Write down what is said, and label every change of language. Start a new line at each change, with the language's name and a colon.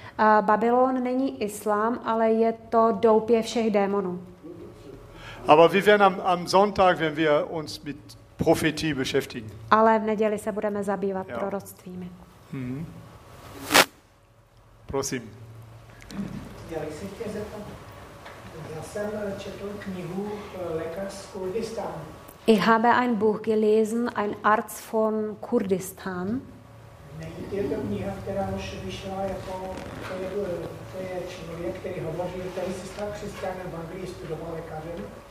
Czech: Babylon není Islam, ale je to doupě všech démonů.
German: Aber wir werden am Sonntag, wenn wir uns mit Prophetie beschäftigen.
Czech: Ale v neděli se budeme zabývat proroctvími. Mhm. Prosím. Já bych se chtěl zeptat. Já jsem četl knihu Lékař z Kurdistánu.
German: Ich habe ein Buch gelesen, ein Arzt von Kurdistan.
Czech: Není to ta kniha, která už vyšla jako to je člověk, který hovoří, který se stal křesťanem v Anglii, studoval lékařem.